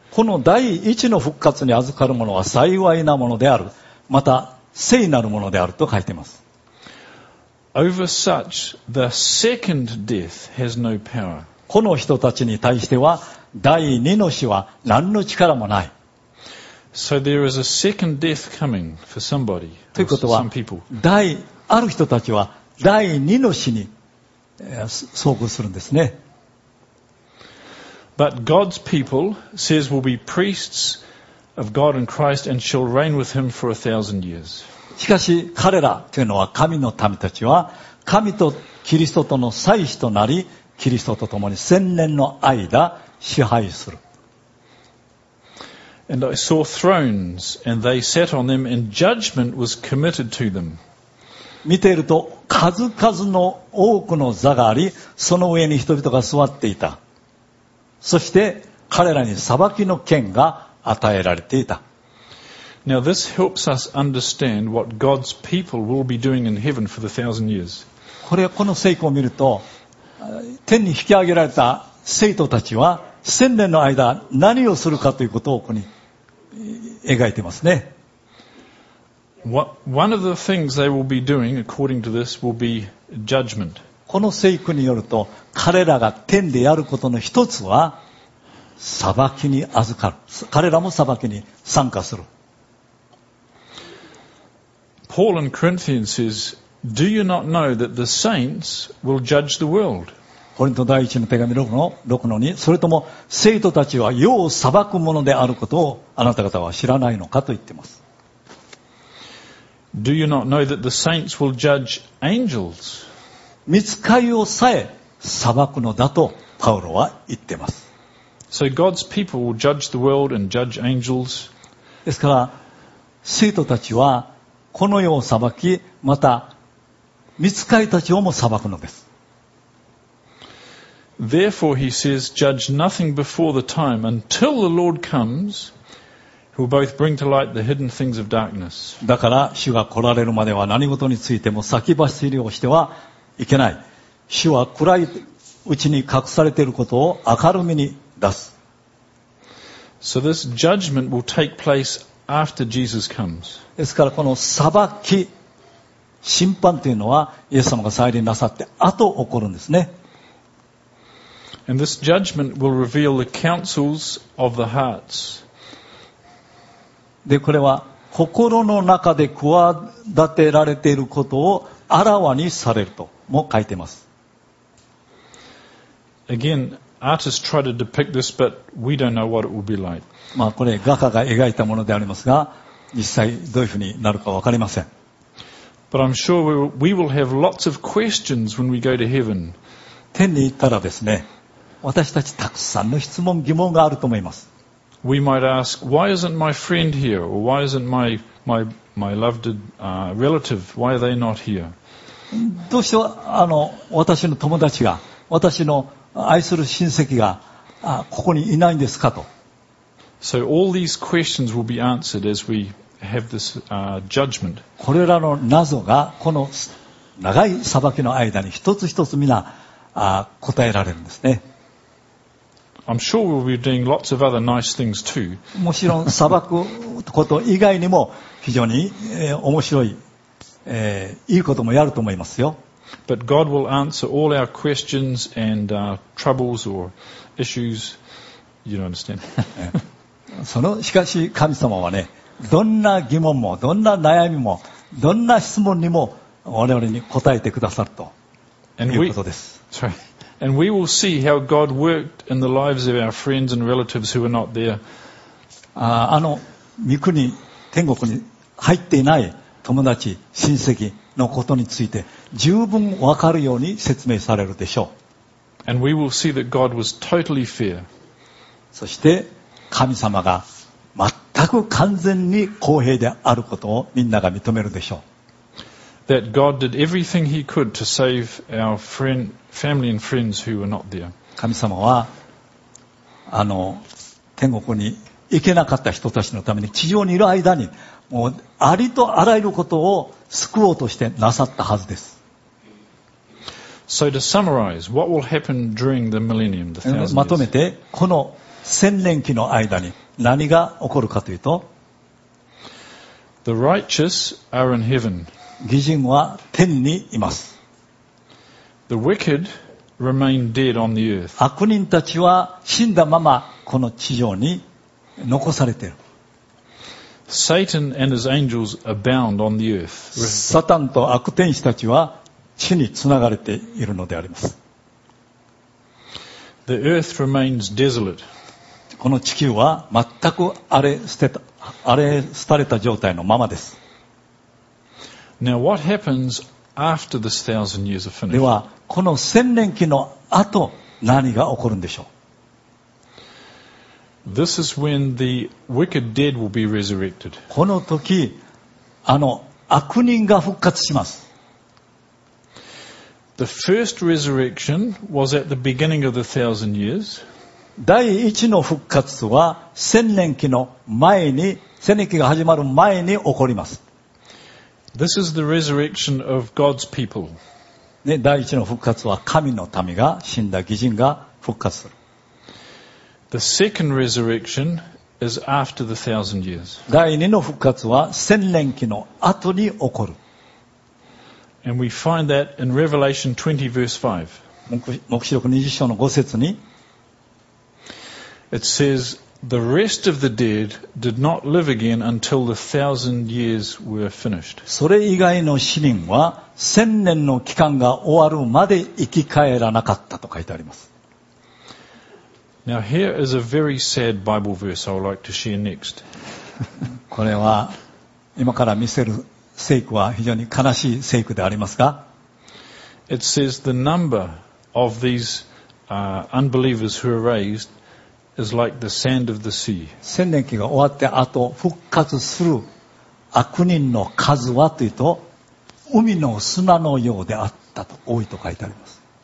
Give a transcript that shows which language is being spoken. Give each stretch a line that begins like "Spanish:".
Japanese: この第一の復活に預かるものは幸いなものである。また聖なるものであると書いています。
English: Over such, the second death has no power.
Japanese: この人たちに対しては第二の死は何の力もない。
English: So there is a second death coming for somebody.
Japanese: ということは、ある人たちは第二の死に遭遇するんですね。
English: But God's people says will be priests of God and Christ and shall reign with him for 1,000 years.
Japanese: しかし彼らというのは神の民たちは神とキリストとの祭司となりキリストと共に千年の間支配する。
English: And I saw thrones and they sat on them and judgment was committed to them.
Japanese: 見ていると数々の多くの座がありその上に人々が座っていた。そして彼らに裁きの権が与えられていた。
English: Now this helps us understand what God's people will be doing in heaven for the 1,000 years.
Japanese: この聖句を見ると、天に引き上げられた聖徒たちは千年の間何をするかということをここに描いてますね。
English: One of the things they will be doing according to this will be judgment.
Japanese: この聖句によると彼らが天でやることの一つは裁きに預かる彼らも裁きに参加する
English: Paul in Corinthians says Do you not know that the saints will judge the world?
Japanese: コリント第一の手紙6-2それとも聖徒たちは世を裁くものであることをあなた方は知らないのかと言っています
English: Do you not know that the saints will judge angels?
Japanese: 見つかりをさえ裁くのだとパウロは言っています。
English: So God's people will judge the world and judge angels.
Japanese: ですから、聖徒たちはこの世を裁き、また見つかりたちをも裁くのです。
English: Therefore he says, judge nothing before the time until the Lord comes, who will both bring to light the hidden things of darkness.
Japanese: だから主が来られるまでは何事についても先走りをしてはいけない。主は暗いうちに隠されていることを明るみに出す。
English: So this judgment will take place after Jesus comes.
Japanese: ですからこの裁き、審判というのはイエス様が再臨なさって後起こるんですね。
English: And this judgment will reveal the counsels of the hearts.
Japanese: で、これは心の中で企てられていることをあらわにされると。も書いてます。
English: Again, artists try to depict this, but we don't know what it will be like.
Japanese: まあこれ画家が描いたものでありますが、実際どういうふうになるかわかりません。
English: But I'm sure we will have lots of questions when we go to heaven.
Japanese: 天に行ったらですね、私たちたくさんの質問疑問があると思います。
English: We might ask, why isn't my friend here? Or why isn't my loved relative? Why are they not here?
Japanese: どうして私の友達が私の愛する親戚がここにいないんですかと。
English: So all these questions will be answered as we have this judgment.
Japanese: これらの謎がこの長い裁きの間に一つ一つ皆答えられるんですね。
English: I'm sure we'll be doing lots of other nice things too.
Japanese: もちろん裁くこと以外にも非常に面白いいいこともやると思いますよ。
English: But God will answer all our questions and troubles or issues. You don't understand.
Japanese: しかし神様はね、どんな疑問も、どんな悩みも、どんな質問にも我々に答えてくださるということです。
English: And we will see how God worked in the lives of our friends and relatives who are not there.
Japanese: 御国、天国に入っていない友達、親戚のことについて十分わかるように説明されるでしょう。
English: And we will see that God was totally fair.
Japanese: そして神様が全く完全に公平であることをみんなが認めるでしょう。
English: That God did everything he could to save our friend, family and friends who were not there.
Japanese: 神様は天国に行けなかった人たちのために地上にいる間にもうありとあらゆることを救おうとしてなさったはずです。
English: So to summarize, what will happen during the millennium, the thousand years?
Japanese: まとめてこの千年期の間に何が起こるかというと、
English: The righteous are in heaven.
Japanese: 義人は天にいます。
English: The wicked remain dead on the earth.
Japanese: 悪人たちは死んだままこの地上に残されている。
English: Satan and his angels abound on the earth.
Japanese: サタンと悪天使たちは地につながれているのであります。
English: The earth remains desolate.
Japanese: この地球は全く荒れ捨てた状態のままです。
English: Now what happens after this thousand years are finished?
Japanese: ではこの千年期の後何が起こるんでしょう。
English: This is when the wicked dead will be resurrected.
Japanese: この時あの悪人が復活します。
English: The first resurrection was at the beginning of the thousand years.
Japanese: 第一の復活は千年期の前に、千年期が始まる前に起こります。
English: This is the resurrection of God's people.、
Japanese: ね、第一の復活は神の民が、死んだ義人が復活する。
English: The second resurrection is after the thousand years.
Japanese: 第二の復活は千年期の後に起こる。
English: And we find that in Revelation 20 verse 5.
Japanese: 黙示録20章の5節に
English: It says, the rest of the dead did not live again until the thousand years were finished.
Japanese: それ以外の死人は千年の期間が終わるまで生き返らなかったと書いてあります。
English: Now here is a very sad Bible verse I would like to share next.
Japanese: これは今から見せる聖句は非常に悲しい聖句でありますが、
English: It says the number of these unbelievers who are raised is like the sand of the sea.
Japanese: 千年期が終わってあと復活する悪人の数はというと、海の砂のようであったと多いと書いてあります。